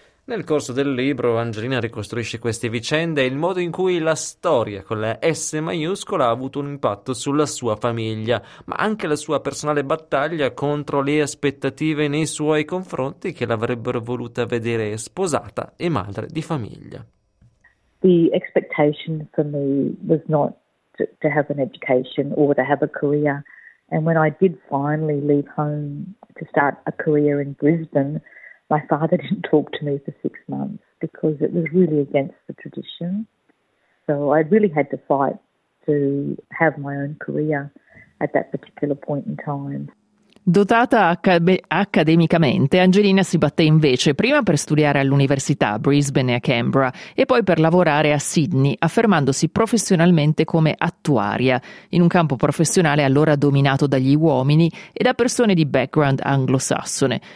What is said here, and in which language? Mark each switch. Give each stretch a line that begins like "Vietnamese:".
Italian: Nel corso del libro Angelina ricostruisce queste vicende e il modo in cui la storia con la S maiuscola ha avuto un impatto sulla sua famiglia, ma anche la sua personale battaglia contro le aspettative nei suoi confronti che l'avrebbero voluta vedere sposata e madre di famiglia.
English: The expectation for me was not to have an education or to have a career. And when I did finally leave home to start a career in Brisbane, my father didn't talk to me for 6 months because it was really against the tradition. So I really had to fight to have my own career at that particular point in time.
Italian: Dotata accademicamente, Angelina si batté invece prima per studiare all'università a Brisbane e a Canberra e poi per lavorare a Sydney, affermandosi professionalmente come attuaria, in un campo professionale allora dominato dagli uomini e da persone di background anglosassone.